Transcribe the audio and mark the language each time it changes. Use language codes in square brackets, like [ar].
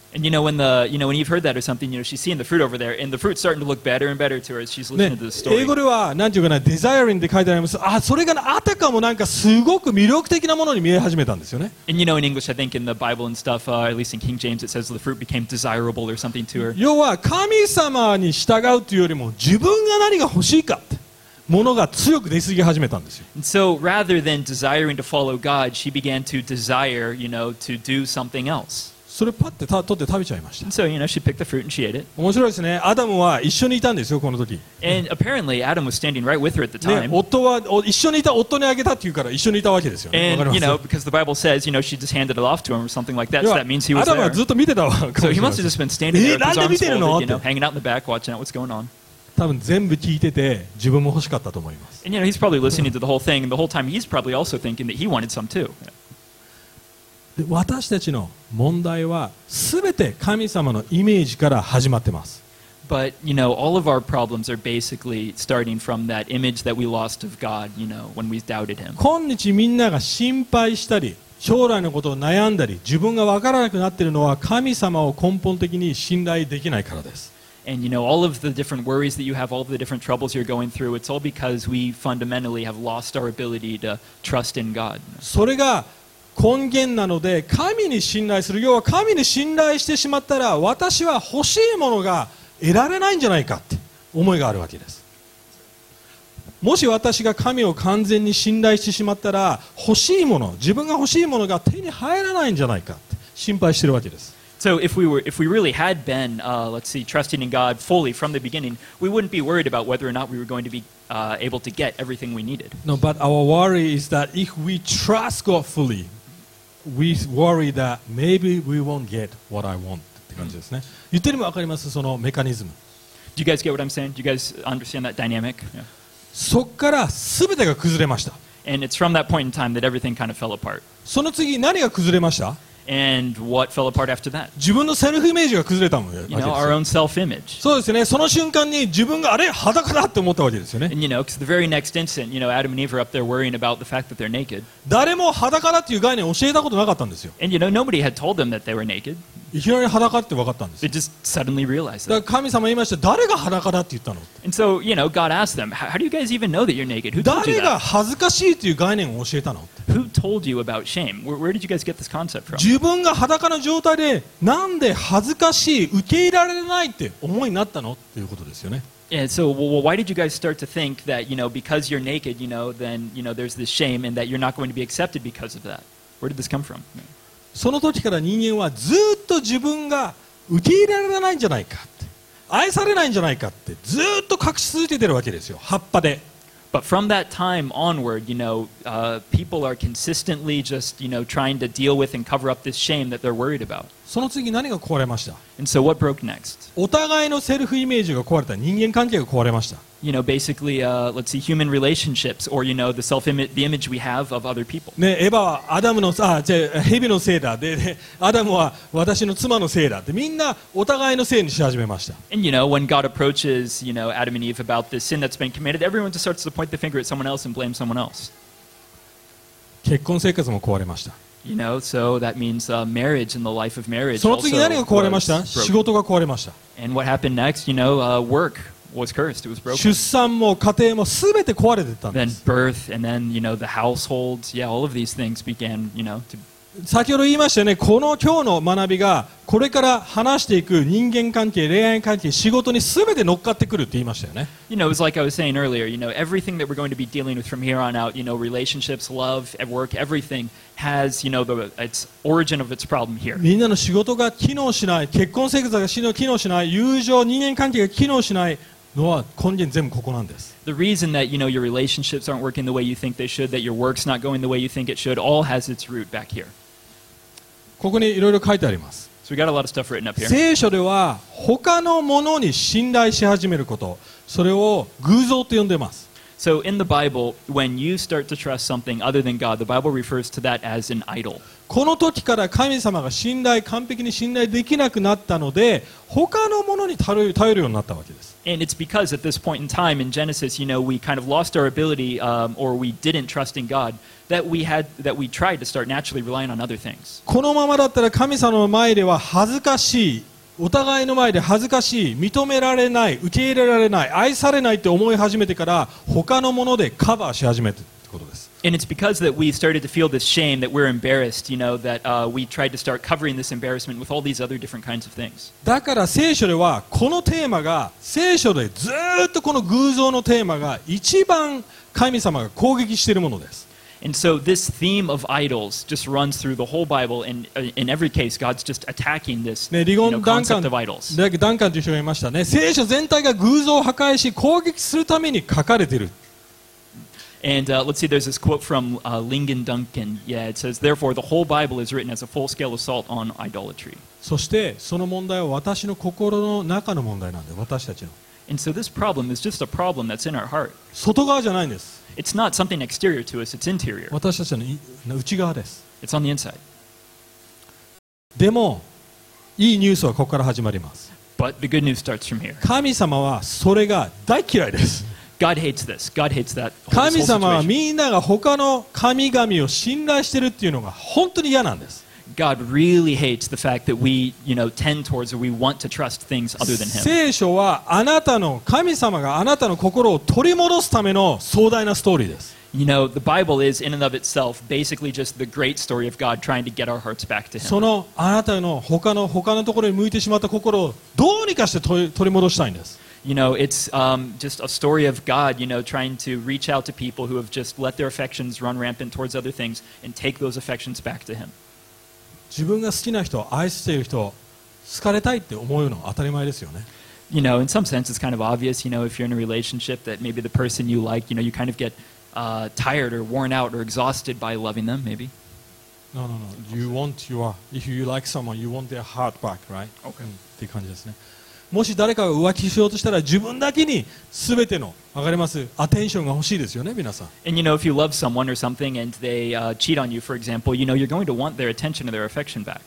[en] And you know, when the, you know, when Eve heard that or something, you know, she's seeing the fruit over there, and the fruit's starting to look better and better to her as she's listening、 [ja] ね、 [en] to the story. [ja] 英語では、なんていうかな、desiring って書いてあります。あ、それがあたかもなんかすごく魅力的なものに見え始めたんですよね。 [en] And you know, in English, I think in the Bible and stuff, at least in King James, it says the fruit became desirable or something to her. [ja] 要は、神様に従うというよりも、自分が何が欲しいかって。ものが強く出過ぎ始めたんですよ。 [en] So rather than desiring to follow God, she began to desire, you know, to do something else. [ja] それパッて取って食べちゃいました。 [en] So, you know, she picked the fruit and she ate it. [ja] 面白いですね。アダムは一緒にいたんですよ、この時。 [en] And apparently, Adam was standing right with her at the time. [ja] ね、夫は一緒にいた夫にあげたって言うから一緒にいたわけですよ、ね。 [en] And, you know, because the Bible says, you know, she just handed it off to him or something like that. So that means he was there. [ja] アダムはずっと見てたわ。 [en] So he must have just been standing there with his arms folded, you know, hanging out in the back, watching out what's going on. [ja] 多分全部聞いてて自分も欲しかったと思います。 [en] And, you know, he's probably listening to the whole thing, and the whole time he's probably also thinking that he wanted some too. [ja] で、私たちの問題は全て神様のイメージから始まってます。 [en] But, you know, all of our problems are basically starting from that image that we lost of God, you know, when we doubted him. [ja] 今日みんなが心配したり、将来のことを悩んだり、自分が分からなくなっているのは神様を根本的に信頼できないからです。 [en] And you know, all of the different worries that you have, all of the different troubles you're going through, it's all because we fundamentally have lost our ability to trust in God. [ja] それが根源なので、神に信頼する。要は神に信頼してしまったら、私は欲しいものが得られないんじゃないかって思いがあるわけです。もし私が神を完全に信頼してしまったら、欲しいもの、自分が欲しいものが手に入らないんじゃないかって心配してるわけです。 [en] So if we really had been, trusting in God fully from the beginning, we wouldn't be worried about whether or not we were going to be able to get everything we needed. No, but our worry is that if we trust God fully, we worry that maybe we won't get what I want [ja] って感じですね。言ってるのわかります？そのメカニズム。 [en] Do you guys get what I'm saying? Do you guys understand that dynamic? Yeah. [ja] そこから全てが崩れました。 [en] And it's from that point in time that everything kind of fell apart. [ja] その次何が崩れました？ [en] And what fell apart after that? [ja] 自分のセルフイメージが崩れたわけです。 [en] You know, our own self-image. [ja] そうですね。その瞬間に自分があれ裸だって思ったわけですよね。 [en] And you know, because the very next instant, you know, Adam and Eve are up there worrying about the fact that they're naked. [ja] 誰も裸だっていう概念を教えたことなかったんですよ。 [en] And you know, nobody had told them that they were naked. [ja] いきなり裸って分かったんです。 [en] They just suddenly realized that. [ja] 神様言いました。誰が裸だって言ったの？ [en] And so, you know, God asked them, how do you guys even know that you're naked? Who told you that? [ja] 誰が恥ずかしいという概念を教えたの？ [en] Who told you about shame? Where did you guys get this concept from? [ja] 自分が裸の状態でなんで恥ずかしい、受け入れられないって思いになったの？っていうことですよね。 [en] And so, well, why did you guys start to think that, you know, because you're naked, you know, then, you know, there's this shame and that you're not going to be accepted because of that? Where did this come from? [ja] その時から人間はずっと自分が受け入れられないんじゃないかって、愛されないんじゃないかってずっと隠し続けてるわけですよ、葉っぱで。 [en] But from that time onward, you know, people are consistently just, you know, trying to deal with and cover up this shame that they're worried about. [ja] その次何が壊れました？ [en] And so what broke next? [ja] お互いのセルフイメージが壊れた、人間関係が壊れました。 [en] You know, basically, human relationships or, you know, the self-image, the image we have of other people. [ja] ね、エヴァはアダムの、あ、じゃ、蛇のせいだ。で、アダムは私の妻のせいだ。で、みんなお互いのせいにし始めました。 [en] And, you know, when God approaches, you know, Adam and Eve about this sin that's been committed, everyone just starts to point the finger at someone else and blame someone else. [ja] 結婚生活も壊れました。 [en] You know, so that means marriage and the life of marriage also broke. [ja] その次何が壊れました？仕事が壊れました。 [en] And what happened next? You know, work. Was cursed. It was broken. [ja] 出産も家庭も全て壊れてたんです。 [en] Then birth and then you know the household. Yeah, all of these things began. You know. To... [ja] 先ほど言いましたね。この今日の学びがこれから話していく人間関係、恋愛関係、仕事に全て乗っかってくるって言いましたよね。 [en] You know, it's like I was saying earlier. You know, everything that we're going to be dealing with from here on out. You know, relationships, love, at work, everything has you know the its origin of its problem here. [ja] みんなの仕事が機能しない、結婚生活が機能しない、友情、人間関係が機能しない。のは根源全部ここなんです。 [en] The reason that you know your relationships aren't working the way you think they should, that your work's not going the way you think it should, all has its root back here. [ja] ここにいろいろ書いてあります。 [en] So we got a lot of stuff written up here. [ja] 聖書では他のものに信頼し始めること、それを偶像と呼んでます。 [en] So in the Bible, when you start to trust something other than God, the Bible refers to that as an idol. [ja] この時から神様が信頼、完璧に信頼できなくなったので、他のものに頼るようになったわけです。 [en] And it's because at this point in time in Genesis, you know, we kind of lost our ability, or we didn't trust in God, that we tried to start naturally relying on other things. [ja] このままだったら神様の前では恥ずかしい、お互いの前で恥ずかしい、認められない、受け入れられない、愛されないって思い始めてから、他のものでカバーし始めてってことです。 [en] And it's because that we started to feel this shame that we're embarrassed, you know, that we tried to start covering this embarrassment with all these other different kinds of things. [ja] だから聖書ではこのテーマが聖書でずっとこの偶像のテーマが一番神様が攻撃しているものです。 [en] And so this theme of idols just runs through the whole Bible, and in every case, God's just attacking this concept of idols. [ja] ね、ダンカンという人が言いましたね。聖書全体が偶像を破壊し攻撃するために書かれている。 [en] And let's see, there's this quote from Lingen Duncan. Yeah, it says, therefore, the whole Bible is written as a full-scale assault on idolatry. [ja] そしてその問題は私の心の中の問題なんで、私たちの。 [en] And so this problem is just a problem that's in our heart. [ja] 外側じゃないんです。 [en] It's not something exterior to us, it's interior. [ja] 私たちの内側です。 [en] It's on the inside. [ja] でも、いいニュースはここから始まります。 [en] But the good news starts from here. [ja] 神様はそれが大嫌いです。 [en] God hates this. God hates that. Whole [ja] 神様はみんなが他の神々を信頼してるっていうのが本当に嫌なんです。 [en] God really hates the fact that we, you know, tend towards or we want to trust things other than Him. [ja] 聖書はあなたの神様があなたの心を取り戻すための壮大なストーリーです。 [en] You know, the Bible is in and of itself basically just the great story of God trying to get our hearts back to Him. [ja] そのあなたの他のところに向いてしまった心をどうにかして取り戻したいんです。 [en] You know, it's just a story of God, you know, trying to reach out to people who have just let their affections run rampant towards other things and take those affections back to Him. [ja] 自分が好きな人、愛している人、好かれたいって思うのは当たり前ですよね。 [en] You know, in some sense, it's kind of obvious, you know, if you're in a relationship that maybe the person you like, you know, you kind of get tired or worn out or exhausted by loving them, maybe. No, no, no. You want your... If you like someone, you want their heart back, right? Okay. [ja] っていう感じですね。もし誰かが浮気しようとしたら自分だけに全ての、わかります? アテンションが欲しいですよね、皆さん。 [en] And you know, if you love someone or something and they cheat on you, for example, you know, you're going to want their attention or their affection back.